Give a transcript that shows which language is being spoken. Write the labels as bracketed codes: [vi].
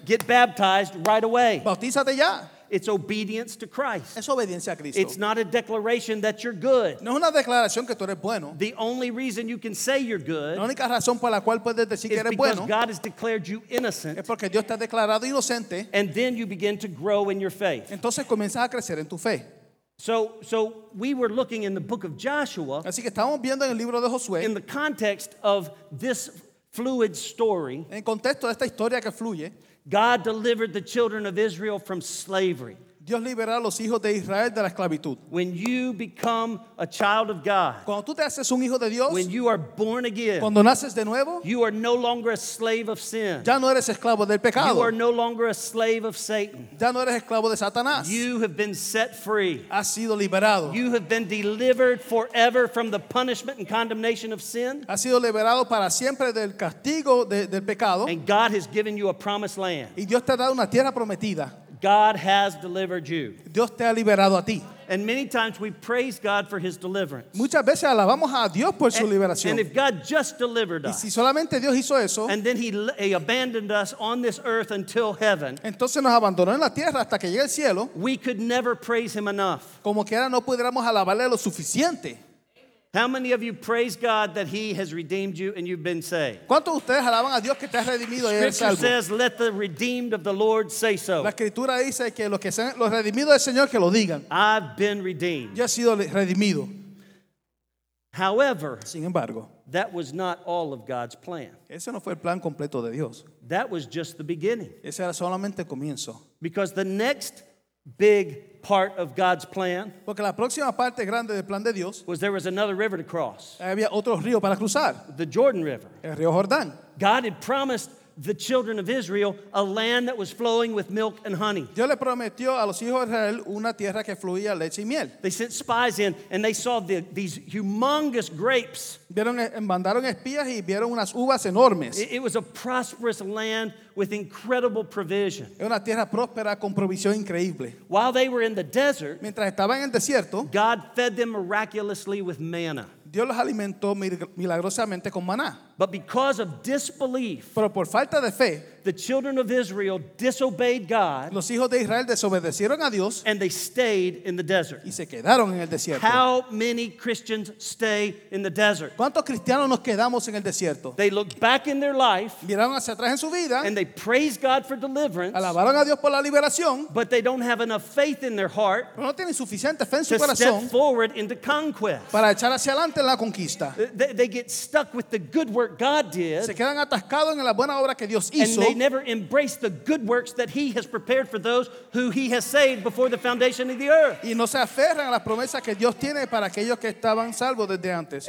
[en] Get baptized right away. [es] Bautízate ya. [en] It's obedience to Christ. [es] Es obediencia a Cristo. [en] It's not a declaration that you're good. [es] No es una declaración que tú eres bueno. [en] The only reason you can say you're good, [es] la única razón por la cual puedes decir que eres [en] bueno, God has declared you innocent, [es] es porque Dios te ha declarado inocente. [en] And then you begin to grow in your faith. [es] Entonces comienzas a crecer en tu fe. [en] So we were looking in the book of Joshua. [es] Así que estábamos viendo en el libro de Josué. [en] In the context of this fluid story. [es] En contexto de esta historia que fluye. [en] God delivered the children of Israel from slavery. [es] Dios liberará a los hijos de Israel de la esclavitud. [en] When you become a child of God, [es] cuando tú te haces un hijo de Dios, [en] when you are born again, [es] cuando naces de nuevo, [en] you are no longer a slave of sin. [es] Ya no eres esclavo del pecado. [en] You are no longer a slave of Satan. [es] Ya no eres esclavo de Satanás. [en] You have been set free. [es] Has sido liberado. [en] You have been delivered forever from the punishment and condemnation of sin. [es] Has sido liberado para siempre del castigo del pecado. [en] And God has given you a promised land. [es] Y Dios te ha dado una tierra prometida. [en] God has delivered you. [es] Dios te ha liberado a ti. [en] And many times we praise God for his deliverance. [es] Muchas veces alabamos a Dios por su liberación. [en] And if God just delivered us, [es] y si solamente Dios hizo eso, [en] and then he abandoned us on this earth until heaven, [es] entonces nos abandonó en la tierra hasta que llegue el cielo, [en] we could never praise him enough. [es] Como quiera no pudiéramos alabarle lo suficiente. [en] How many of you praise God that he has redeemed you and you've been saved? [es] ¿Cuántos de ustedes alaban a Dios que te ha redimido y eres salvo? [en] Scripture says, let the redeemed of the Lord say so. [es] La escritura dice que los que sean los redimidos del Señor que lo digan. [en] I've been redeemed. [es] Yo he sido redimido. [en] However, [es] sin embargo, [en] that was not all of God's plan. [es] Ese no fue el plan completo de Dios. [en] That was just the beginning. [es] Ese era solamente el comienzo. [en] Because the next big part of God's plan, [es] porque la próxima parte grande del plan de Dios, [en] was there was another river to cross. [es] Había otro río para cruzar. [en] The Jordan River. [es] El río Jordán. [en] God had promised the children of Israel a land that was flowing with milk and honey. [es] Dios le prometió a los hijos de Israel una tierra que fluía leche y miel. [en] They sent spies in and they saw these humongous grapes. [es] Mandaron espías y vieron unas uvas enormes. [en] It was a prosperous land with incredible provision. [es] Era una tierra próspera con provisión increíble. [en] While they were in the desert, [es] mientras estaban en el desierto, [en] God fed them miraculously with manna. [es] Dios los alimentó milagrosamente con maná. [en] But because of disbelief, [es] pero por falta de fe, [en] the children of Israel disobeyed God. [es] Los hijos de Israel desobedecieron a Dios, [en] and they stayed in the desert. [es] Y se quedaron en el desierto. [en] How many Christians stay in the desert? [es] ¿Cuántos cristianos nos quedamos en el desierto? [en] They looked back in their life, [es] miraron hacia atrás en su vida, [en] and they praised God for deliverance. [es] Alabaron a Dios por la liberación, [en] but they don't have enough faith in their heart, [es] pero no tienen suficiente fe en su [en] to [es] corazón, [en] step forward into conquest. [es] Para echar hacia adelante en la conquista. [en] They get stuck with the good work God did. [es] Se quedan atascados en la buena obra que Dios hizo. [en] They never embrace the good works that he has prepared for those who he has saved before the foundation of the earth. [es] Y no se aferran a las promesas que Dios tiene para aquellos que estaban salvos desde antes.